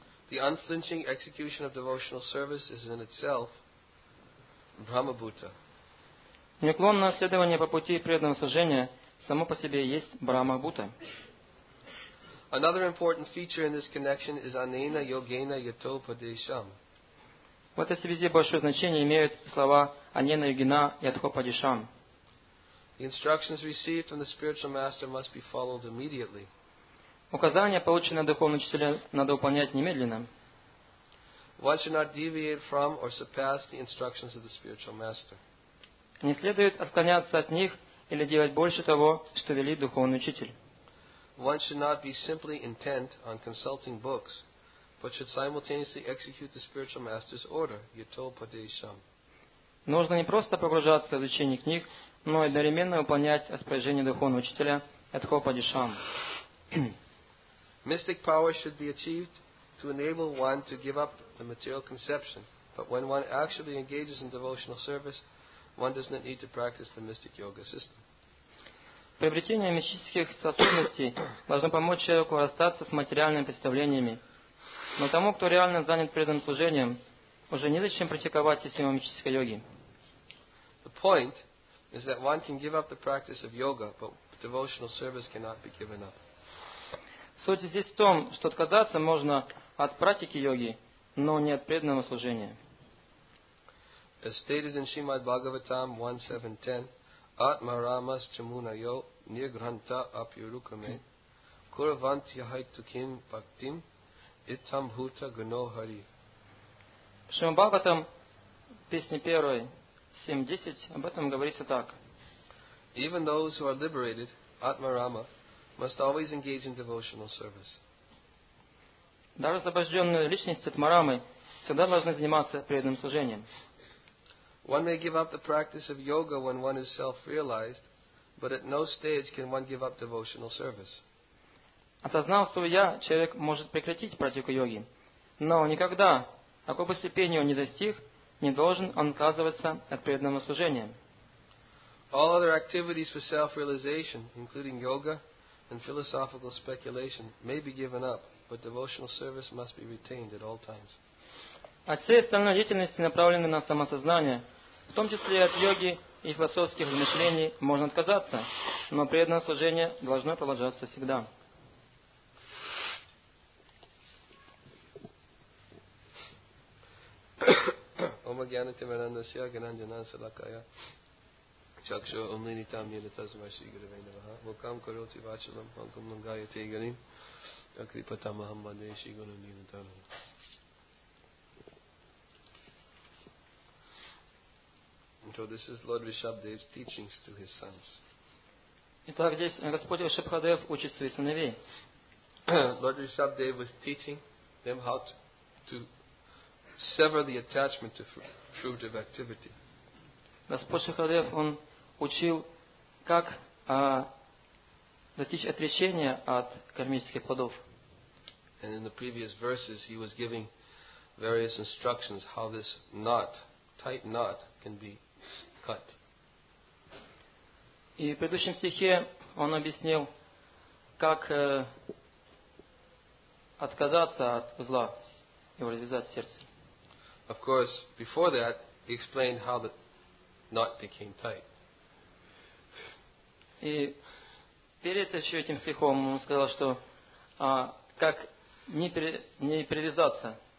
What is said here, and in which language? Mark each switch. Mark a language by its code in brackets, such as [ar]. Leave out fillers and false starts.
[en] The unflinching execution of devotional service is in itself Brahmabhuta. [ru] Неуклонное следование по пути преданного служения само по себе есть Брахмабхута. [en] Another important feature in this connection is anena yogena yato padesham. [ru] В этой связи большое значение имеют слова анена йогина ятхо падешам. [en] The instructions received from the spiritual master must be followed immediately. [ru] Указания, полученные от духовного учителя, надо выполнять немедленно. [en] One should not deviate from or surpass the instructions of the spiritual master. [ru] Не следует отклоняться от них или делать больше того, что велит духовный учитель. [en] One should not be simply intent on consulting books, but should simultaneously execute the spiritual master's order, yato padesham. [ru] Нужно не просто погружаться в изучение книг, но и одновременно выполнять распоряжение духовного учителя, yato padesham. [en] Mystic power should be achieved to enable one to give up the material conception, but when one actually engages in devotional service, one does not need to practice the mystic yoga system. [ru] Приобретение мистических способностей должно помочь человеку расстаться с материальными представлениями. Но тому, кто реально занят преданным служением, уже незачем практиковать систему мистической йоги. [en] The point is that one can give up the practice of yoga, but devotional service cannot be given up. [ru] Суть здесь в том, что отказаться можно от практики йоги, но не от преданного служения. [en] As stated in Srimad Bhagavatam 1.7.10, [sa] Atma Ramas Chamunayo Nirgranta Apyurukame Kuravant Yahaitukim Bhaktim Itam Bhuta Gno Hari. [ru] Шримад Бхагаватам, песня 1.7.10, об этом говорится так. [en] Even those who are liberated, Atma Rama, must always engage in devotional service. [ru] Даже освобожденные личности Атмарамы всегда должны заниматься преданным служением. [en] One may give up the practice of yoga when one is self-realized, but at no stage can one give up devotional service. [ru] Осознав свое «я», человек может прекратить практику йоги, но никогда, какой бы степени он ни достиг, не должен он отказываться от преданного служения. [en] All other activities for self-realization, including yoga and philosophical speculation, may be given up, but devotional service must be retained at all times. [ru] От всей остальной деятельности, направленной на самосознание, в том числе и от йоги и философских размышлений, можно отказаться, но преданное служение должно продолжаться всегда. [sa] Ом агьянати мэрандасья гананджанан салакая чакшо умлини там нилатазма ши гиравей наваха вокам короти вачалам панкам лангая тегарим акрипатам ахам ваде ши гунам нилатазма. [en] So this is Lord Rishabhdev's teachings to his sons. [ru] Итак, здесь Господь Ришабхадев учит своих сыновей. [en] Lord Rishabhdev was teaching them how to sever the attachment to fruitive activity. [ru] Господь Ришабхадев он учил, как достичь отречения от кармических плодов. [en] And in the previous verses, he was giving various instructions how this knot, tight knot, can be. [ru] И в предыдущем стихе он объяснил, как отказаться от узла и развязать сердце. [en] Of course, before that, he explained how the knot became tight. [ru] И перед еще этим стихом он сказал, что как не привязаться.